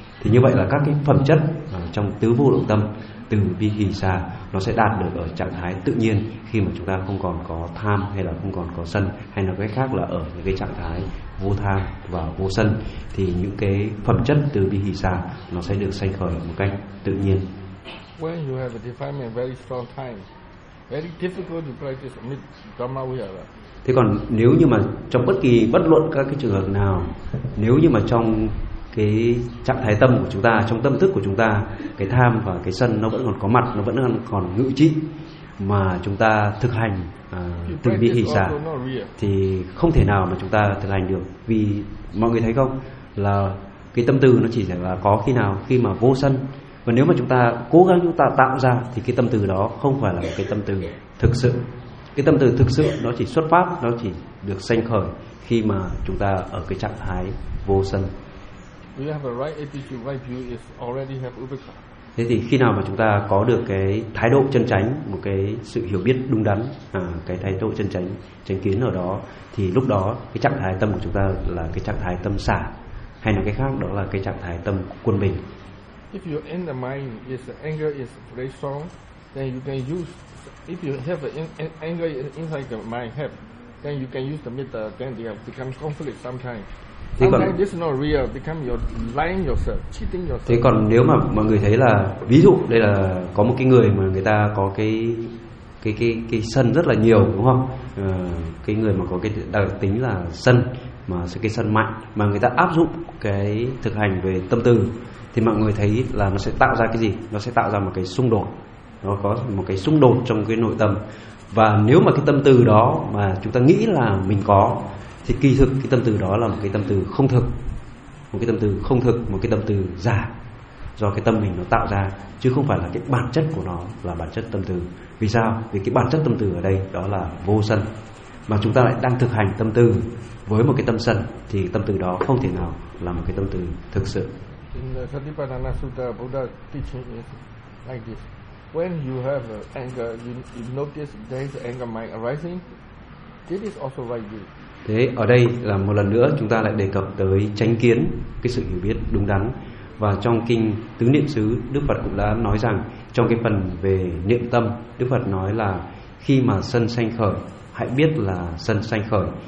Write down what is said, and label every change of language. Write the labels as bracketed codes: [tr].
[vi] Thì như vậy là các cái phẩm chất trong tứ vô lậu tâm từ vi hỷ xa nó sẽ đạt được ở trạng thái tự nhiên, khi mà chúng ta không còn có tham hay là không còn có sân, hay là cách khác là ở những cái trạng thái vô tham và vô sân, thì những cái phẩm chất từ vi hỷ xa nó sẽ được sanh khởi một cách tự nhiên. [en] When you have a defilement very strong time, very difficult to practice amid dhamma vihara. [vi] Thế còn nếu như mà trong bất kỳ bất luận các cái trường hợp nào, nếu như mà trong cái trạng thái tâm của chúng ta, trong tâm thức của chúng ta, cái tham và cái sân nó vẫn còn có mặt, nó vẫn còn ngự trị, mà chúng ta thực hành từ vi hỷ xả thì không thể nào mà chúng ta thực hành được. Vì mọi người thấy không, là cái tâm từ nó chỉ là có khi nào khi mà vô sân. Và nếu mà chúng ta cố gắng chúng ta tạo ra thì cái tâm từ đó không phải là một cái tâm từ thực sự. Cái tâm từ thực sự nó chỉ xuất phát, nó chỉ được sanh khởi khi mà chúng ta ở cái trạng thái vô sân. [en] We have a right attitude, right view is already have upekkha. [vi] Thế thì khi nào mà chúng ta có được cái thái độ chân chánh, một cái sự hiểu biết đúng đắn, cái thái độ chân chánh, chánh kiến ở đó, thì lúc đó cái trạng thái tâm của chúng ta là cái trạng thái tâm xả, hay nói cái khác đó là cái trạng thái tâm quân bình. [en] If your inner mind is anger is very strong, then you can use. If you have anger inside the mind, have, then you can use the mitta. Then they have become conflict sometimes. [vi] Thế còn, [en] this is not real, become your lying yourself, cheating yourself. [vi] Thế còn nếu mà mọi người thấy là ví dụ đây là có một cái người mà người ta có cái sân rất là nhiều đúng không? Cái người mà có cái đặc tính là sân, mà cái sân mạnh, mà người ta áp dụng cái thực hành về tâm từ, thì mọi người thấy là nó sẽ tạo ra cái gì? Nó sẽ tạo ra một cái xung đột, nó có một cái xung đột trong cái nội tâm. Và nếu mà cái tâm từ đó mà chúng ta nghĩ là mình có, thì kỳ thực cái tâm từ đó là một cái tâm từ không thực, một cái tâm từ không thực, một cái tâm từ giả do cái tâm mình nó tạo ra, chứ không phải là cái bản chất của nó là bản chất tâm từ. Vì sao? Vì cái bản chất tâm từ ở đây đó là vô sân, mà chúng ta lại đang thực hành tâm từ với một cái tâm sân, thì tâm từ đó không thể nào là một cái tâm từ thực sự. [en] In the Satipatthana Sutta, Buddha teaching is like this: when you have anger, you notice there is anger mind arising. This is also right view. [vi] Thế ở đây là một lần nữa chúng ta lại đề cập tới chánh kiến, cái sự hiểu biết đúng đắn. Và trong kinh Tứ Niệm Xứ, Đức Phật cũng đã nói rằng trong cái phần về niệm tâm, Đức Phật nói là khi mà sân sanh khởi, hãy biết là sân sanh khởi.